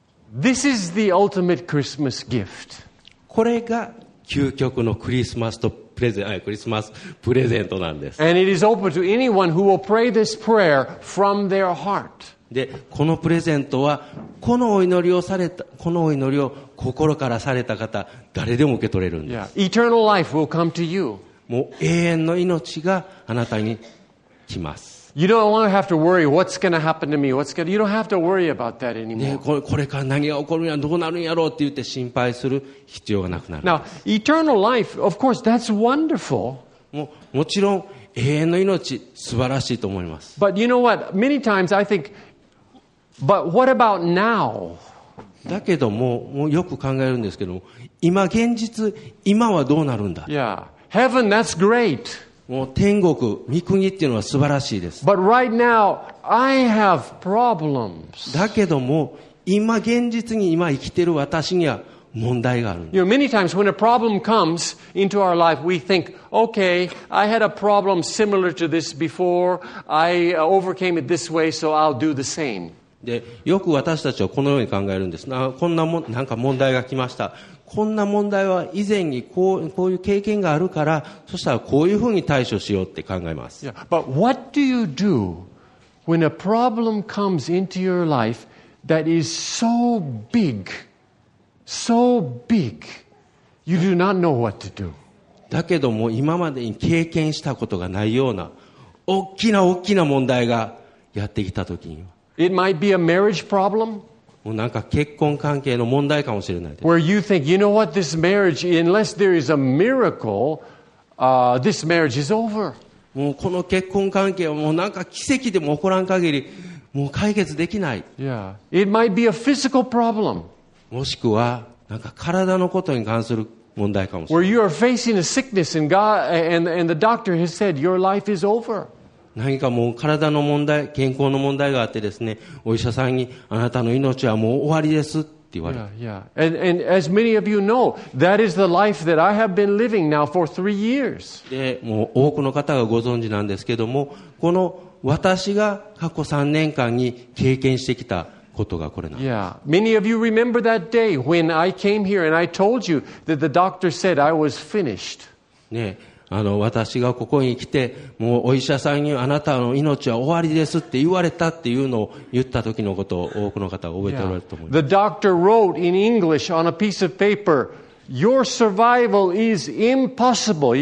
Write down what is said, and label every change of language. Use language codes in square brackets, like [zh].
[en] This is the ultimate Christmas gift. [ja] これが究極のクリスマスとプレゼント、クリスマスプレゼントなんです。 [en] And it is open to anyone who will pray this prayer from their heart. [ja] で、このプレゼントはこのお祈りをされた、このお祈りを心からされた方、誰でも受け取れるんです。 [en] Yeah. Eternal life will come to you. [ja] もう永遠の命があなたに来ます。 [en] You don't want to have to worry what's going to happen to me. What's going to... You don't have to worry about that anymore. [ja] これから何が起こるんやどうなるんやろうって言って心配する必要がなくなる。 [en] Now, eternal life, of course, that's wonderful. [ja] もちろん永遠の命素晴らしいと思います。 [en] But you know what? Many times I think, but what about now? [ja] だけどもうよく考えるんですけど、今現実、今はどうなるんだ。 [en] Yeah, heaven, that's great. [ja] もう天国、御国っていうのは素晴らしいです。 [en] But right now, I have problems. [ja] だけども、今現実に今生きている私には問題があるんです。 [en] You know, many times when a problem comes into our life, we think, okay, I had a problem similar to this before, I overcame it this way, so I'll do the same. [ja] で、よく私たちはこのように考えるんです。なんか問題が来ました。こんな問題は以前にこういう経験があるから、そしたらこういうふうに対処しようって考えます。 [en] Yeah. But what do you do when a problem comes into your life that is so big, so big, you do not know what to do? [ja] だけども今までに経験したことがないような大きな大きな問題がやってきたときには。 [en] It might be a marriage problem. [ja] もうなんか結婚関係の問題かもしれないです。 [en] Where you think, you know what, this marriage, unless there is a miracle, this marriage is over. [ja] もうこの結婚関係はもうなんか奇跡でも起こらん限り、もう解決できない。 [en] Yeah. It might be a physical problem. [ja] もしくはなんか体のことに関する問題かもしれない。 [en] Where you are facing a sickness and God and the doctor has said your life is over. [ja] 何かもう体の問題、健康の問題があってですね、お医者さんにあなたの命はもう終わりですって言われる。 [en] Yeah, yeah. And as many of you know, that is the life that I have been living now for 3 years. [ja] で、もう多くの方がご存知なんですけども、この私が過去3年間に経験してきたことがこれなんです。 [en] Yeah. Many of you remember that day when I came here and I told you that the doctor said I was finished. [ja] ね。私がここに来て、もうお医者さんにあなたの命は終わりですって言われたっていうのを言った時のことを多くの方が覚えておられると思います。 [en] The doctor wrote in English on a piece of paper, "Your survival is impossible."